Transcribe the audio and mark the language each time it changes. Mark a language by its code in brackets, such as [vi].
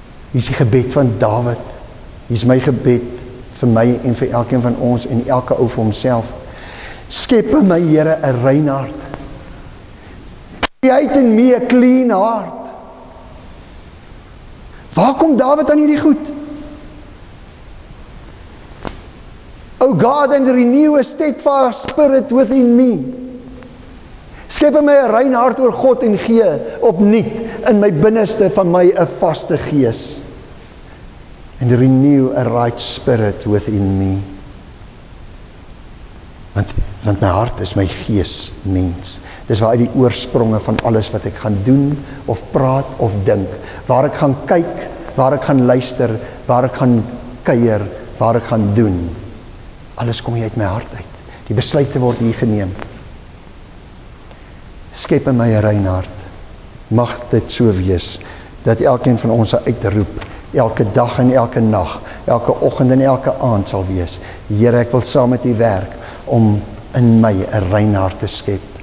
[af] Hier is die gebed van David. Hier is my gebed vir my en vir elkeen van ons en elke ou vir homself. Skep in my Here 'n rein hart. [en] Create in me 'n clean hart. [af] Waar kom David aan hierdie goed? [en] O God, and renew a steadfast spirit within me. [af] Skep in my 'n rein hart oor God en gee opnuut in my binneste van my 'n vaste gees. [en] And renew a right spirit within me. [af] Want my hart is my gees, mens. Dis waar uit die oorspronge van alles wat ek gaan doen, of praat, of dink. Waar ek gaan kyk, waar ek gaan luister, waar ek gaan kuier, waar ek gaan doen. Alles kom hier uit my hart uit. Die besluite word hier geneem. Skep in my 'n rein hart. Mag dit so wees, dat elkeen van ons uitroep, elke dag en elke nag, elke oggend en elke aand sal wees, Here, ek wil saam met U werk om in my 'n rein hart te skep.